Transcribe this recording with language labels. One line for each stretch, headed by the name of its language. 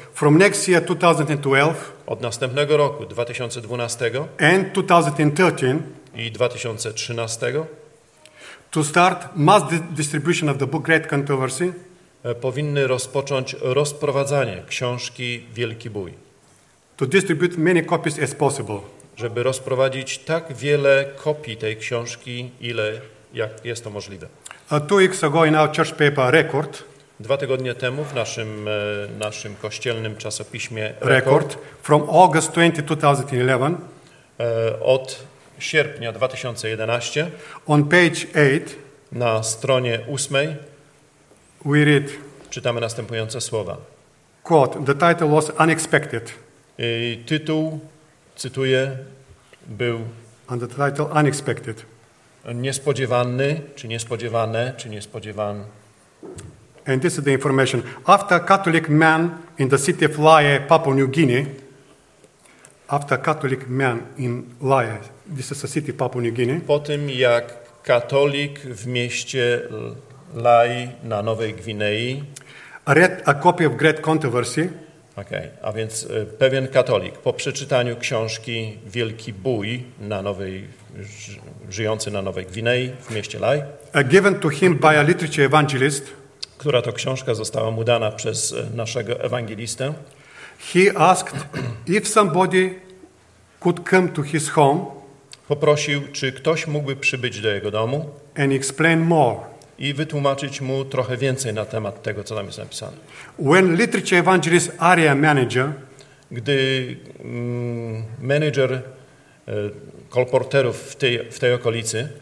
English: From next year 2012.
Polish: Od następnego roku 2012.
English: And 2013.
Polish: I 2013.
English: To start mass distribution of the book Great Controversy.
Polish: Powinny rozpocząć rozprowadzanie książki Wielki Bój.
English: To distribute many copies as possible.
Polish: Żeby rozprowadzić tak wiele kopii tej książki, ile jak jest to możliwe.
English: Two weeks ago in our church paper Record.
Polish: Dwa tygodnie temu w naszym kościelnym czasopiśmie
English: Record. From August 2011.
Polish: Od sierpnia 2011.
English: On page 8.
Polish: Na stronie 8.
English: We read.
Polish: Czytamy następujące słowa.
English: Quote, the title was unexpected.
Polish: I tytuł, cytuję, był.
English: And the title unexpected.
Polish: Niespodziewany, czy niespodziewane, czy niespodziewan.
English: And this is the information. After a Catholic man in the city of Lae, Papua New Guinea. After a Catholic man in Lae, this is the city of Papua New Guinea.
Polish: Po tym jak katolik w mieście Lai na Nowej Gwinei.
English: Read a copy of Great Controversy. Okay.
Polish: A więc pewien katolik po przeczytaniu książki Wielki Bój na Nowej żyjący na Nowej Gwinei w mieście Lai.
English: Given to him by a literature evangelist.
Polish: Która to książka została mu dana przez naszego ewangelistę.
English: He asked if somebody could come to his home.
Polish: Poprosił, czy ktoś mógłby przybyć do jego domu.
English: And explain more.
Polish: I wytłumaczyć mu trochę więcej na temat tego, co tam jest napisane.
English: When literature evangelist area manager,
Polish: gdy manager kolporterów w tej okolicy,